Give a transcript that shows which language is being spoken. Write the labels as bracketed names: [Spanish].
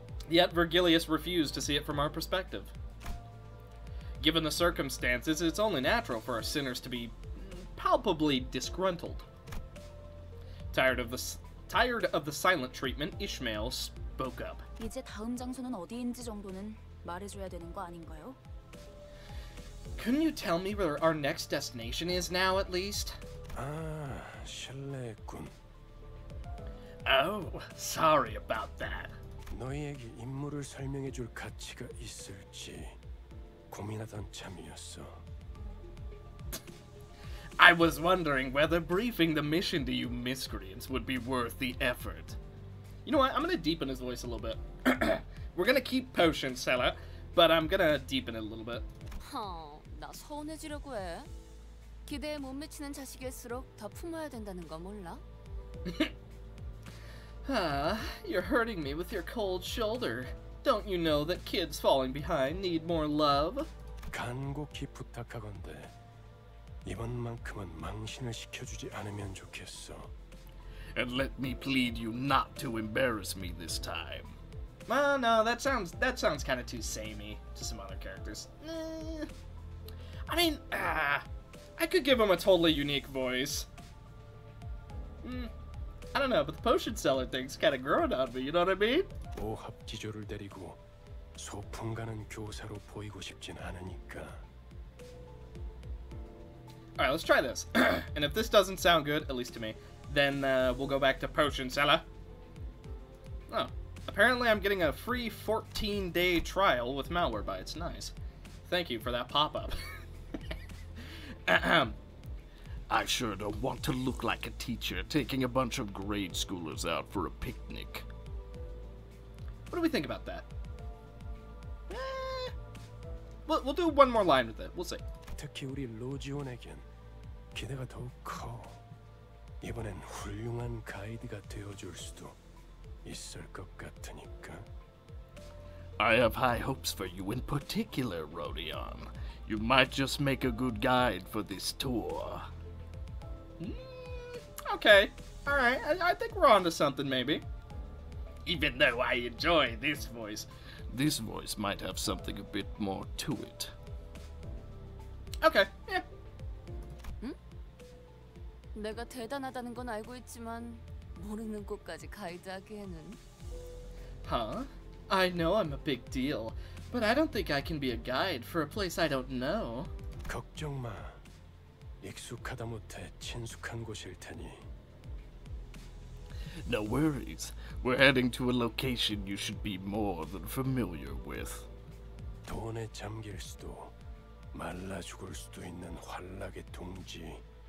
[English] Yet Virgilius refused to see it from our perspective. Given the circumstances, it's only natural for our sinners to be palpably disgruntled. Tired of the silent treatment, Ishmael spoke up. [Korean] 이제 다음 장소는 어디인지 정도는 말해줘야 되는 거 아닌가요? [English] Couldn't you tell me where our next destination is now, at least? Shalekum. Oh, sorry about that. [Korean] 너희에게 임무를 설명해줄 가치가 있을지 고민하던 참이었어. [English] I was wondering whether briefing the mission to you miscreants would be worth the effort. You know what? I'm gonna deepen his voice a little bit. We're gonna keep potion seller, but I'm gonna deepen it a little bit. [Korean] Oh, 나 서운해지려고 해. 기대에 못 미치는 자식일수록 더 품어야 된다는 거 몰라? [English] You're hurting me with your cold shoulder. Don't you know that kids falling behind need more love? [Korean] 간곡히 부탁하건대, 이번만큼은 망신을 시켜주지 않으면 좋겠어. [English] And let me plead you not to embarrass me this time. Well, no, that sounds kind of too samey to some other characters. I could give him a totally unique voice. I don't know, but the potion seller thing's kind of growing on me, you know what I mean? [Korean] 오합지졸을 데리고 소풍 가는 교사로 보이고 싶진 않으니까. [English] Alright, let's try this. And if this doesn't sound good, at least to me, then we'll go back to potion seller. Oh, apparently I'm getting a free 14-day trial with malware bites. Nice. Thank you for that pop-up. Ahem. I sure don't want to look like a teacher taking a bunch of grade schoolers out for a picnic. What do we think about that? We'll do one more line with it. We'll see. [Korean] 특히 우리 로지온에겐 기대가 더욱 커. 이번엔 훌륭한 가이드가 되어줄 수도 있을 것 같으니까. [English] I have high hopes for you in particular, Rodion. You might just make a good guide for this tour. Okay, Alright, I think we're on to something, maybe. Even though I enjoy this voice might have something a bit more to it. Okay, yeah. [Korean] 내가 대단하다는 건 알고 있지만 모르는 곳까지 가이드 하기에는 Huh? [English] I know I'm a big deal, but I don't think I can be a guide for a place I don't know. [Korean] 걱정 마. 익숙하다 못해 친숙한 곳일 테니. [English] No worries. We're heading to a location you should be more than familiar with. [Korean] 돈에 잠길 수도 말라 죽을 수도 있는 환락의 동지.